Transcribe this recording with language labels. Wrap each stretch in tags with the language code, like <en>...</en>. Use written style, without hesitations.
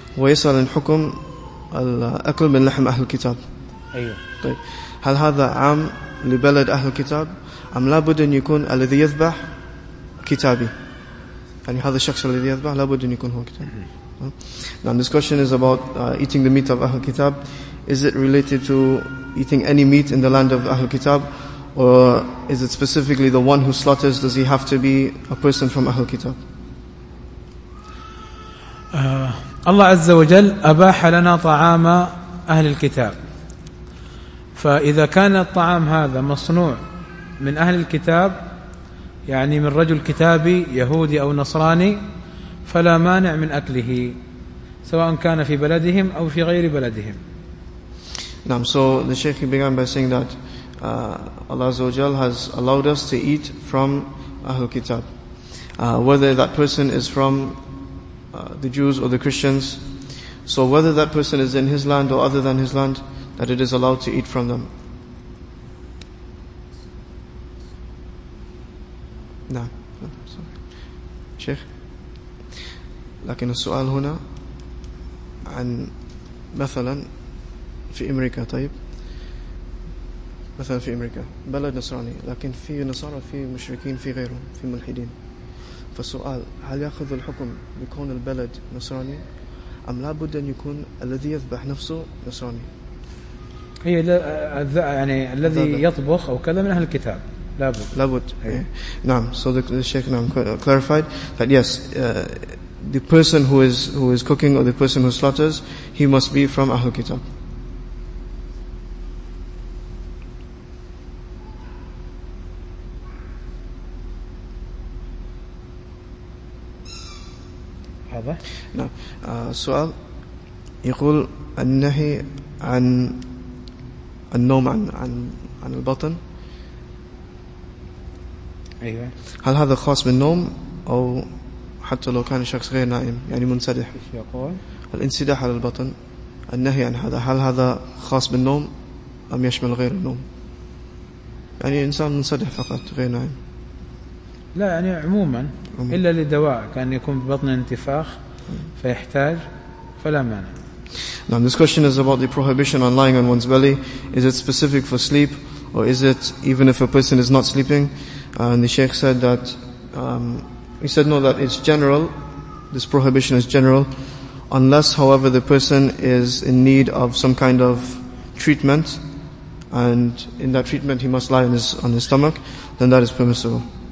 <ar>ويسأل عن حكم الأكل من لحم أهل الكتاب. أيوه. طيب، هل هذا عام لبلد أهل الكتاب أم لابد أن يكون الذي يذبح كتابي؟ يعني هذا الشخص الذي يذبح لابد أن يكون هو كتابي.</ar> <en>Now this question is about eating the meat of Ahl Kitab. Is it related to eating any meat in the land of Ahl Kitab, or is it specifically the one who slaughters? Does he have to be a person from Ahl Kitab?</en> <ar>Allah Azza wa Jal أباح لنا طعام أهل الكتاب. فإذا كان الطعام هذا مصنوع من أهل الكتاب، يعني من رجل كتابي يهودي أو نصراني، فلا مانع من أكله سواء كان في بلدهم أو في غير بلدهم. نعم.</ar> <en>So the Sheikh began by saying that Allah Azza wa Jal has allowed us to eat from Ahl Kitab. Whether that person is from the Jews or the Christians, so whether that person is in his land or other than his land, that it is allowed to eat from them.</en> <ar>نعم. Sheikh. لكن السؤال هنا عن مثلا في أمريكا، طيب مثلا في أمريكا بلد نصراني، لكن في نصارى، في مشركين، في غيرهم، في ملحدين، فالسؤال هل يأخذ الحكم بكون البلد نصراني أم لا بد أن يكون الذي يذبح نفسه نصراني؟ هي يعني الذي يطبخ أو كذا من أهل الكتاب لابد. نعم.</ar> <en>So the Sheikh</en> <ar>نعم</ar> <en>clarified that yes, the person who is cooking or the person who slaughters, he must be from Ahl Kitab.</en> <ar>هذا نعم. سؤال يقول النهي عن النوم عن البطن، ايوه، هل هذا خاص بالنوم او حتى لو كان شخص غير نائم يعني منسدح؟ يقول الانسداح على البطن، النهي عن هذا، هل هذا خاص بالنوم أم يشمل غير النوم؟ يعني إنسان منسدح فقط غير نائم، لا يعني عموما. إلا لدواء كان يكون ببطن انتفاخ فيحتاج، فلا مانع.</ar> <en>Now this question is about the prohibition on lying on one's belly. Is it specific for sleep, or is it even if a person is not sleeping? And the Sheikh said that he said no, that it's general, this prohibition is general, unless however the person is in need of some kind of treatment, and in that treatment he must lie on his stomach, then that is permissible.</en>